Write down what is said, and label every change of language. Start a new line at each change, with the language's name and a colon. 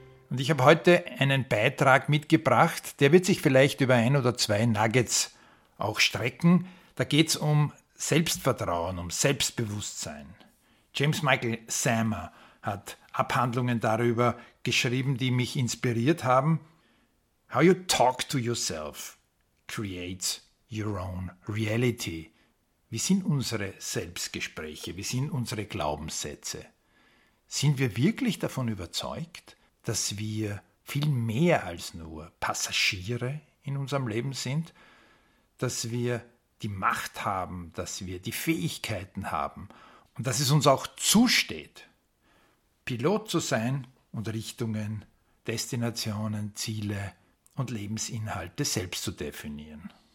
German: Und ich habe heute einen Beitrag mitgebracht, der wird sich vielleicht über ein oder zwei Nuggets auch strecken. Da geht es um Selbstvertrauen, um Selbstbewusstsein. James Michael Sammer hat Abhandlungen darüber geschrieben, die mich inspiriert haben.
English: How you talk to yourself creates your own reality.
German: Wie sind unsere Selbstgespräche? Wie sind unsere Glaubenssätze? Sind wir wirklich davon überzeugt, dass wir viel mehr als nur Passagiere in unserem Leben sind? Dass wir die Macht haben, dass wir die Fähigkeiten haben und dass es uns auch zusteht, Pilot zu sein und Richtungen, Destinationen, Ziele und Lebensinhalte selbst zu definieren.